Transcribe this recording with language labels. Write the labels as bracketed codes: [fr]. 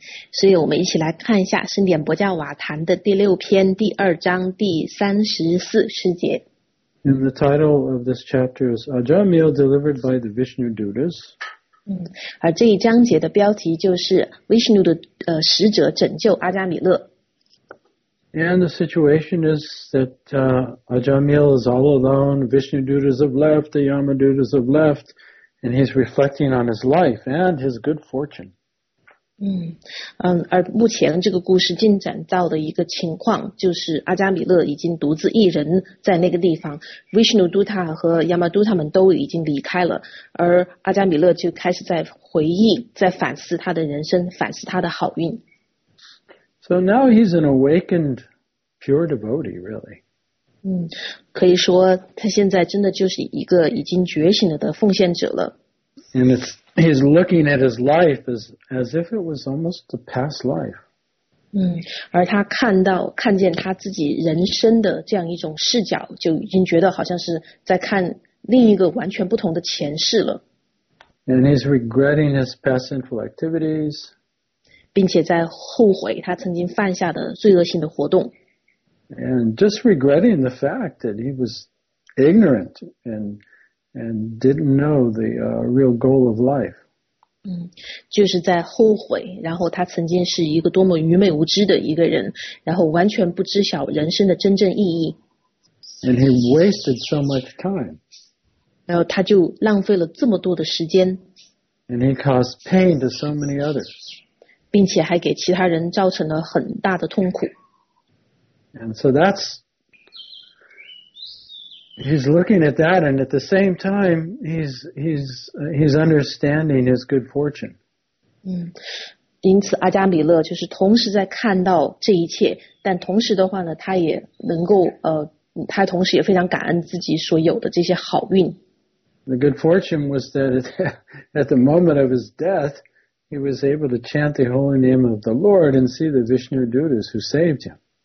[zh] 所以我们一起来看一下盛典博加瓦坛的第六篇第二章第34节。 [en] And the title of this chapter is Ajamil delivered by the Vishnu Dutas. [zh] 而这一章节的标题就是 Vishnu 的使者拯救阿加米勒。 [en] And the situation is that Ajamil is all alone, Vishnu Dutas have left, the Yama Dutas have left, and he's reflecting on his life and his good fortune. [zh] 而目前这个故事进展到的一个情况就是阿加米勒已经独自一人在那个地方， Vishnu Dutta 和 Yama Dutta 们都已经离开了，而阿加米勒就开始在回忆，在反思他的人生，反思他的好运。 [en] So now he's an awakened pure devotee really. [zh] 可以说他现在真的就是一个已经觉醒了的奉献者了。 [en] And it'sHe's looking at his life as if it was almost a past life. [zh] 而他看见他自己人生的这样一种视角，就已经觉得好像是在看另一个完全不同的前世了。 [en] And he's regretting his past sinful activities. [zh] 并且在后悔他曾经犯下的罪恶性的活动。 [en] And just regretting the fact that he was ignorant and didn't know the real goal of life. [zh] 就是在后悔，然后他曾经是一个多么愚昧无知的一个人，然后完全不知晓人生的真正意义。 [en] And he wasted so much time. [zh] 然后他就浪费了这么多的时间。 [en] And he caused pain to so many others. [zh] 并且还给其他人造成了很大的痛苦。 [en] And so that's, he's looking at that, and at the same time, he's understanding his good fortune. [zh] 因此阿加米勒就是同时在看到这一切，但同时的话呢，他也能够他同时也非常感恩自己所有的这些好运。 [en] The good fortune was that at the moment of his death, he was able to chant the holy name of the Lord and see the Vishnu Dutas who saved him.